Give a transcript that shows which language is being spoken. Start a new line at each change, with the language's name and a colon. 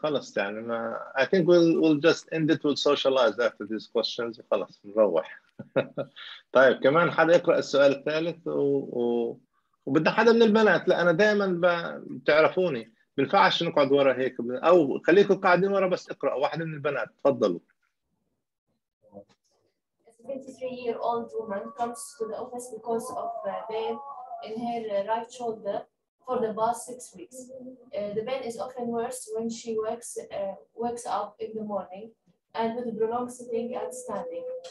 Arabic: خلاص يعني ما,
English: I think we'll just end it with socialize after these questions.
Arabic: خلاص نروح. طيب كمان حدا يقرأ السؤال الثالث وبدنا حدا من البنات لأ أنا دائما بتعرفوني بنفعش نقعد ورا هيك أو خليكم قاعدين ورا بس اقرأ واحد من البنات تفضلوا.
English: 23-year-old woman comes to the office because of pain in her right shoulder for the past 6 weeks. The pain is often worse when she wakes up in the morning and with prolonged sitting and standing.